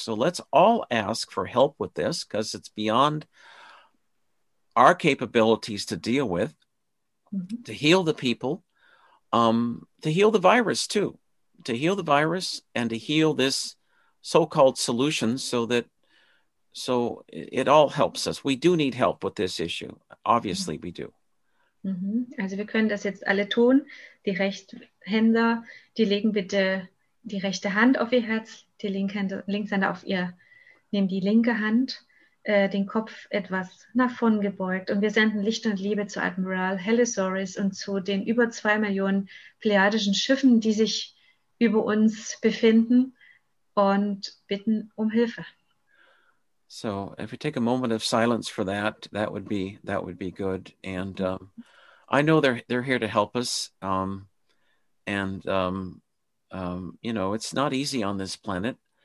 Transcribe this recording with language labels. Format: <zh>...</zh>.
<en>So let's all ask for help with this because it's beyond our capabilities to deal with, to heal the people, to heal the virus too, to heal the virus and to heal this so-called solution so that so it all helps us. We do need help with this issue. Obviously we do. Mm-hmm.</en> <de>Also wir können das jetzt alle tun. Die Rechtshänder, die legen bitte die rechte Hand auf ihr Herz, die Linkshänder auf ihr, nehmen die linke Hand, den Kopf etwas nach vorn gebeugt und wir senden Licht und Liebe zu Admiral Halosaurus und zu den über 2 Millionen pleiadischen Schiffen, die sich über uns befinden und bitten um Hilfe.</de> <en>So if we take a moment of silence for that, that would be good. And I know they're here to help us. You know, it's not easy on this planet.</en>